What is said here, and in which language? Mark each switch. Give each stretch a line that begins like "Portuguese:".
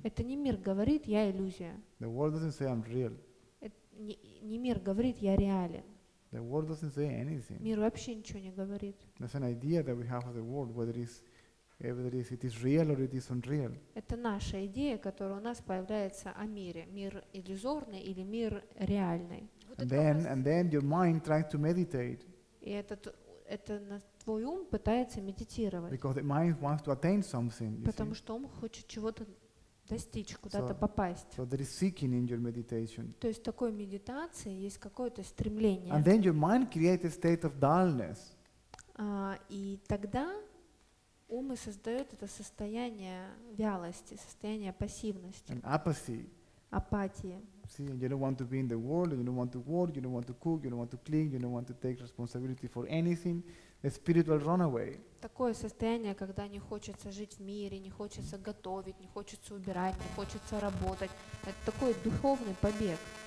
Russian: Это не мир говорит, я иллюзия.
English: The world doesn't say I'm real.
Russian: Не мир говорит, я реален.
English: The world doesn't say anything.
Russian: Мир вообще ничего не говорит.
English: That's an idea that we have of the world, whether it is real or it is unreal.
Russian: Это наша идея, которая у нас появляется о мире. Мир иллюзорный или мир реальный.
English: And then your mind tries to meditate.
Russian: И это на твой ум пытается медитировать.
English: Because the mind wants to attain something.
Russian: Потому что ум хочет чего-то достичь, куда-то попасть.
English: So there is seeking in your meditation.
Russian: То есть в такой медитации есть какое-то стремление.
English: And then your mind creates a state of dullness.
Russian: И тогда ум и создает это состояние вялости, состояние пассивности.
English: And apathy.
Russian: Апатии.
English: See, and you don't want to be in the world, you don't want to work, you don't want to cook, you don't want to clean, you don't want to take responsibility for anything. A spiritual runaway.
Russian: Такое состояние, когда не хочется жить в мире, не хочется готовить, не хочется убирать, не хочется работать. Это такой духовный побег.